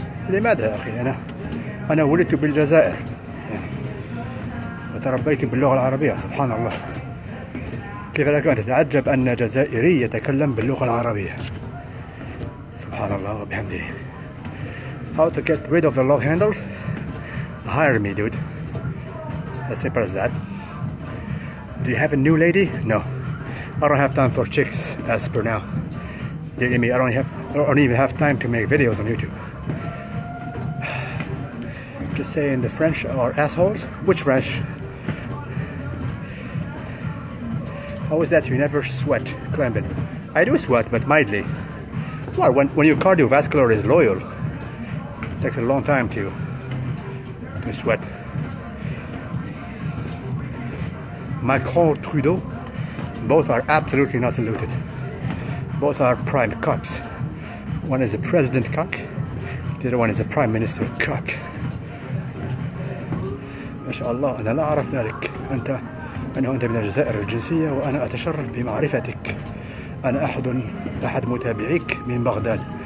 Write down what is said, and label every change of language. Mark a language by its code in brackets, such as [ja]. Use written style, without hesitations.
[ar] لماذا يا أخي؟ أنا ولدت بالجزائر وتربيت باللغة العربية، سبحان الله. كيف لك أن تتعجب أن جزائري يتكلم باللغة العربية؟ سبحان الله وبحمده. [en] How to get rid of the love handles? Hire me, dude. As simple as that. Do you have a new lady? No. I don't have time for chicks as per now. Believe me, I don't even have time to make videos on YouTube. Just saying, the French are assholes. Which French? How is that you never sweat, Clemben? I do sweat, but mildly. Well, when your cardiovascular is loyal, it takes a long time to sweat. Macron, Trudeau, both are absolutely not saluted. Both are prime cucks. One is a president cuck, the other one is a prime minister cuck. [ar] MashaAllah, أنا لا أعرف ذلك. أنت من الجزائر الجنسية وأنا أتشرف بمعرفتك. أنا أحد متابعيك من بغداد.